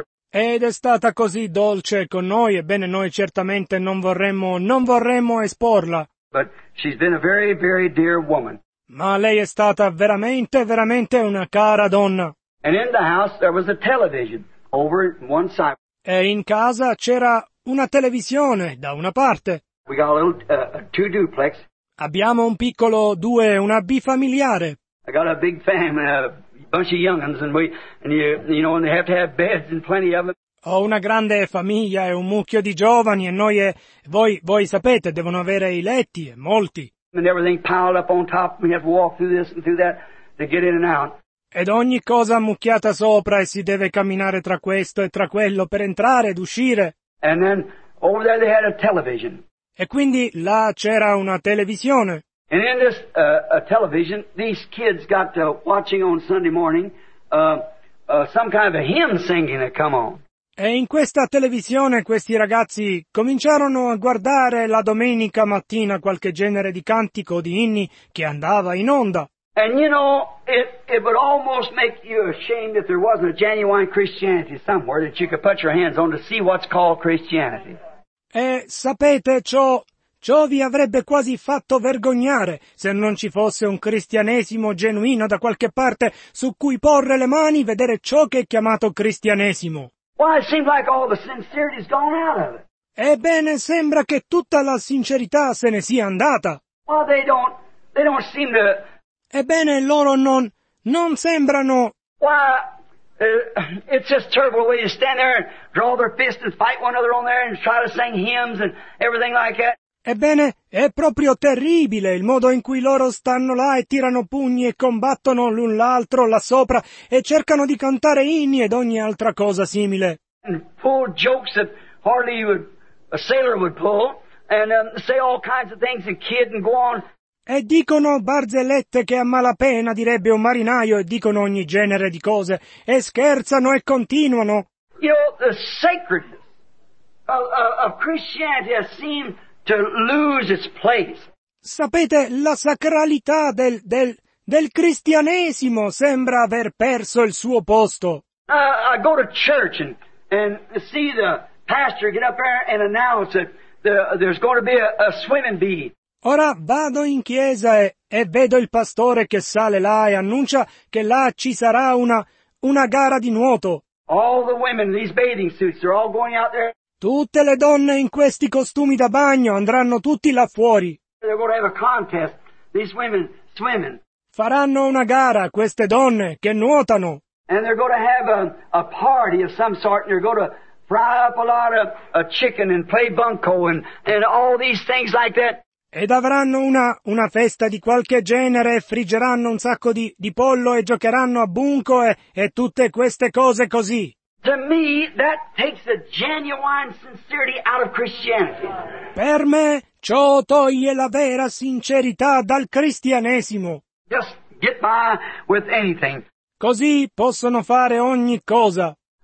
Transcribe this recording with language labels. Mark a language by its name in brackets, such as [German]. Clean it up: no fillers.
[Italian] Ed è stata così dolce con noi, ebbene noi certamente non vorremmo esporla. [English] But she's been a very, very dear woman. [Italian] Ma lei è stata veramente, veramente una cara donna. [English] And in the house there was a television over one side. [Italian] E in casa c'era una televisione da una parte. [English] We got a little two duplex. [Italian] Abbiamo un piccolo due, una bifamiliare. [English] I got a big family, a bunch of young'uns, and you know, and they have to have beds and plenty of them. [Italian] Ho una grande famiglia e un mucchio di giovani e noi e voi sapete devono avere i letti e molti. [English] And everything piled up on top. We have to walk through this and through that to get in and out. [Italian] Ed ogni cosa ammucchiata sopra e si deve camminare tra questo e tra quello per entrare ed uscire. [English] And then, over there they had a television. [Italian] E quindi là c'era una televisione. [English] And in this television, these kids got to watching on Sunday morning some kind of a hymn singing that come on. [Italian] E in questa televisione questi ragazzi cominciarono a guardare la domenica mattina qualche genere di cantico o di inni che andava in onda. [English] And you know, it would almost make you ashamed if there wasn't a genuine Christianity somewhere that you could put your hands on to see what's called Christianity. [Italian] E sapete, ciò vi avrebbe quasi fatto vergognare se non ci fosse un cristianesimo genuino da qualche parte su cui porre le mani, vedere ciò che è chiamato cristianesimo. [English] Why, it seems like all the sincerity's gone out of it. [Italian] Ebbene, sembra che tutta la sincerità se ne sia andata. [English] Well, they don't seem to... [Italian] Ebbene, loro non sembrano... [English] Why, It's just terrible way to stand there and draw their fists and fight one another on there and try to sing hymns and everything like that. [Italian] Ebbene, è proprio terribile il modo in cui loro stanno là e tirano pugni e combattono l'un l'altro là sopra e cercano di cantare inni ed ogni altra cosa simile. [English] And pull jokes that hardly a sailor would pull and say all kinds of things and kid and go on. [Italian] E dicono barzellette che a malapena direbbe un marinaio e dicono ogni genere di cose e scherzano e continuano. [English] You know, the sacredness of Christianity has seemed to lose its place. [Italian] Sapete, la sacralità del cristianesimo sembra aver perso il suo posto. [English] I go to church and see the pastor get up there and announce that there's going to be a swimming bee. [Italian] Ora vado in chiesa e vedo il pastore che sale là e annuncia che là ci sarà una gara di nuoto. [English] All the women in these bathing suits are all going out there. [Italian] Tutte le donne in questi costumi da bagno andranno tutti là fuori. [English] They're going to have a contest, these women swimming. [Italian] Faranno una gara queste donne che nuotano. [English] And they're going to have a party of some sort and they're going to fry up a lot of chicken and play bunco and all these things like that. [Italian] Ed avranno una festa di qualche genere, friggeranno un sacco di pollo e giocheranno a bunco e tutte queste cose così. [English] To me, that takes the genuine sincerity out of Christianity. [Italian] Per me, ciò toglie la vera sincerità dal cristianesimo. [English] Just get by with anything. [Italian] Così possono fare ogni cosa.